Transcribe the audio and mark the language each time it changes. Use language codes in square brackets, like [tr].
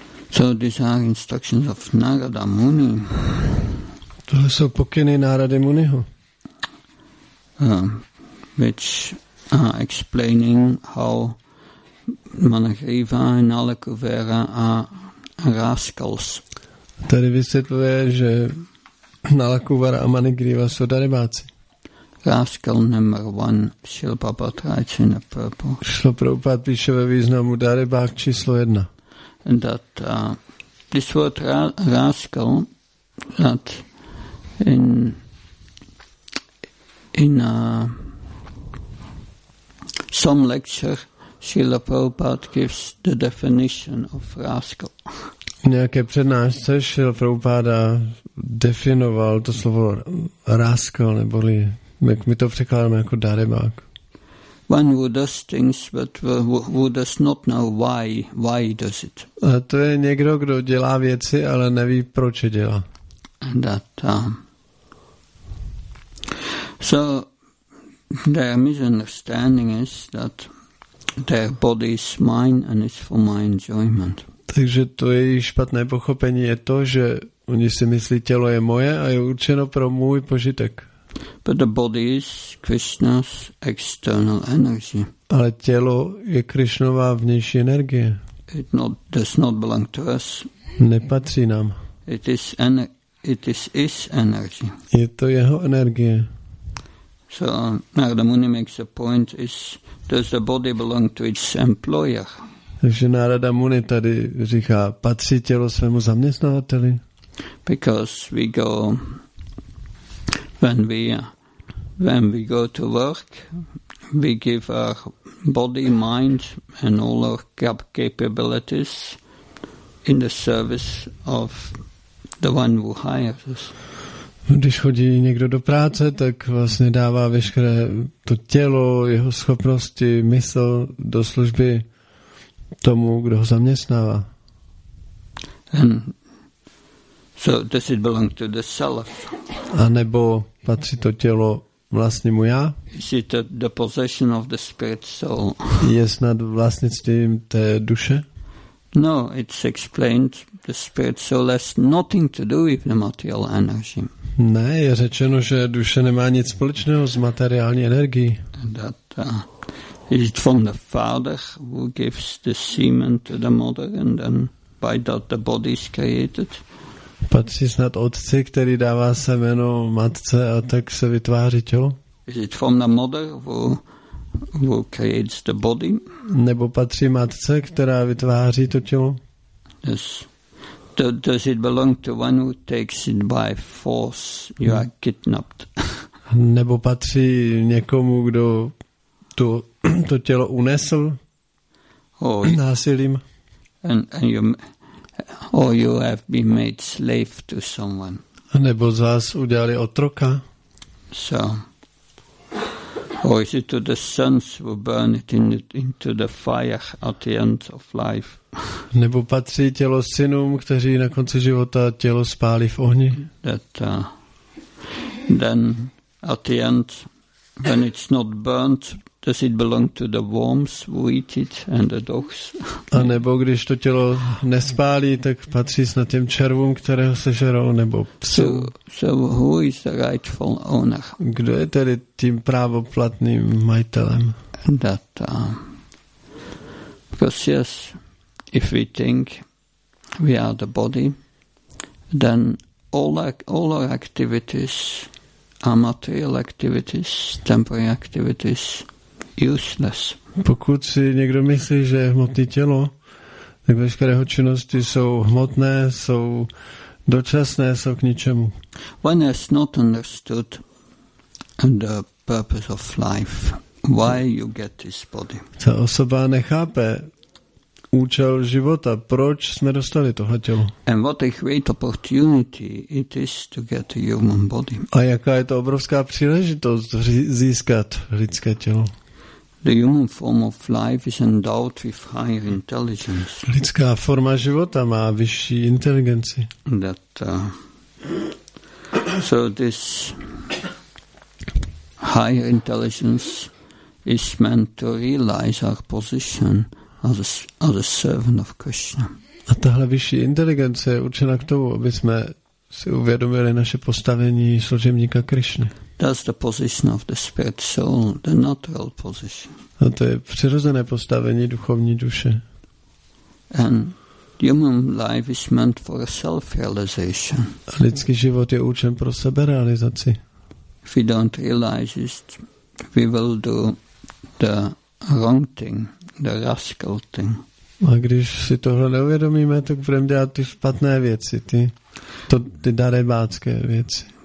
[en] So these are instructions of Narada Muni. [cs] Tohle jsou pokyny Narady Muniho. [en] Which are explaining how Manahriva and Nalakuvera are rascals. [cs] Tady vysvětluje, že Nalakuvera a Manahriva jsou darebáci. [en] Rascal number one, Srila Prabhupada writes in the purple. [cs] Srila Prabhupada píše ve významu darebák číslo jedna. [en] And that this word rascal, that in some lecture, Srila Prabhupada gives the definition of rascal. [cs] V nějaké přednášce Srila Prabhupada definoval to slovo rascal, neboli, jak my to překládáme jako darebák. [en] One who does things, but who does not know why he does it. [cs] A to je někdo, kdo dělá věci, ale neví, proč je dělá. [en] That, so their misunderstanding is that their body is mine and it's for my enjoyment. [cs] Takže to její špatné pochopení je to, že oni si myslí, tělo je moje a je určeno pro můj požitek. [en] But the body is Krishna's external energy. [cs] Ale tělo je Krishnova vnější energie. [en] It not, does not belong to us. [cs] Nepatří nám. [en] It is his energy. [cs] Je to jeho energie. [en] So Narada Muni makes a point is, does the body belong to its employer? [cs] Takže Narada Muni tady říká, patří tělo svému zaměstnavateli? [en] Because we go... When we go to work, we give our body, mind, and all our capabilities in the service of the one who hires us. [cs] Když chodí někdo do práce, tak vlastně dává veškeré to tělo, jeho schopnosti, mysl do služby tomu, kdo ho zaměstnává. [en] And so does it belong to the self? [cs] A nebo patří to tělo vlastnímu já? [en] Is it the possession of the spirit soul? [cs] Je snad vlastnictvím té duše? [en] No, it's explained the spirit soul has nothing to do with the material energy. [cs] Ne, je řečeno, že duše nemá nic společného s materiální energií. [en] That is it from the father who gives the semen to the mother and then by that the body is created. [cs] Patří snad otci, který dává semeno matce a tak se vytváří tělo? [en] Is it from the mother who creates the body? [cs] Nebo patří matce, která vytváří to tělo? [en] Yes. Does it belong to one who takes it by force? You are kidnapped. [cs] Nebo patří někomu, kdo to tělo unesl násilím? [en] Or you have been made slave to someone. [cs] A nebo z vás udělali otroka. [en] So, or is it to the sons who burn it into the fire at the end of life? [cs] Nebo patří tělo synům, kteří na konci života tělo spálí v ohni? [en] That then at the end, when it's not burnt, does it belong to the worms who eat it and the dogs? [cs] A nebo když to tělo nespálí, tak patří snad těm červům, kterého sežerou, nebo psu. [en] So who is the rightful owner? [cs] Kdo je tedy tím právoplatným majitelem? [en] That, because yes, if we think we are the body, then all our activities are material activities, temporary activities, useless. [cs] Pokud si někdo myslí, že hmotné tělo, tak veškeré jeho činnosti jsou hmotné, jsou dočasné, jsou k ničemu. [en] One has not understood the purpose of life, why you get this body. [cs] Ta osoba nechápe účel života, proč jsme dostali tohle tělo. [en] And what a great opportunity it is to get a human body. [cs] A jaká je to obrovská příležitost získat lidské tělo. [en] The human form of life is endowed with higher intelligence. [cs] Lidská forma života má vyšší inteligenci. [en] That, so this higher intelligence is meant to realize our position as a servant of Krishna. [cs] A tahle vyšší inteligence je určena k tomu, aby jsme si uvědomili naše postavení služebníka Krishny. [en] That's the position of the spirit soul, the natural position. [cs] A to je přirozené postavení duchovní duše. [en] And human life is meant for self-realization. [cs] A lidský život je určen pro seberealizaci. [en] If we don't realize it, we will do the wrong thing, the rascal thing. [cs] A když si tohle neuvědomíme, tak budeme dělat ty špatné věci, ty darebácké věci.